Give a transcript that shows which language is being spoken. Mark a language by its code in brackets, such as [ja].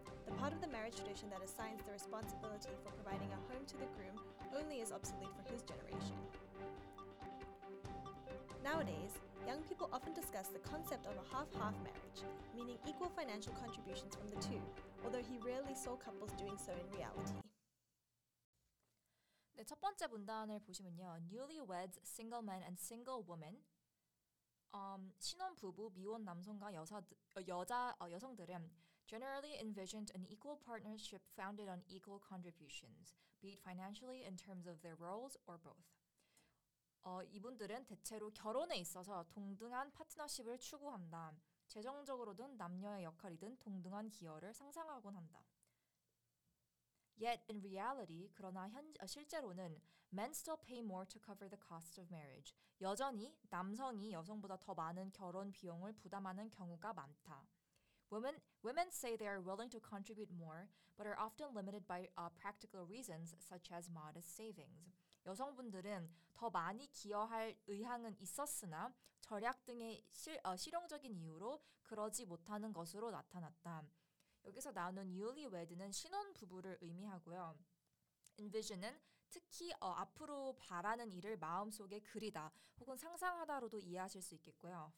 [en] The part of the marriage tradition that assigns the responsibility for providing a home to the groom only is obsolete for his generation. Nowadays, young people often discuss the concept of a half-half marriage, meaning equal financial contributions from the two, although he rarely saw couples doing so in reality. [ko] 네, 첫 번째 문단을 보시면요. [en] Newlyweds, single men and single women. [ko] 신혼부부, 미혼 남성과 여성들은 [en] generally envisioned an equal partnership founded on equal contributions, be it financially in terms of their roles or both. [ko] 이분들은 대체로 결혼에 있어서 동등한 파트너십을 추구한다. 재정적으로든 남녀의 역할이든 동등한 기여를 상상하곤 한다. [en] Yet in reality, [ko] 그러나 실제로는 [en] men still pay more to cover the cost of marriage. [ko] 여전히 남성이 여성보다 더 많은 결혼 비용을 부담하는 경우가 많다. [en] Women say they are willing to contribute more, but are often limited by practical reasons such as modest savings. [ko] 여성분들은 더 많이 기여할 의향은 있었으나 절약 등의 실용적인 이유로 그러지 못하는 것으로 나타났다. 여기서 나오는 newlywed는 신혼부부를 의미하고요. envision은 특히 앞으로 바라는 일을 마음속에 그리다 혹은 상상하다로도 이해하실 수 있겠고요.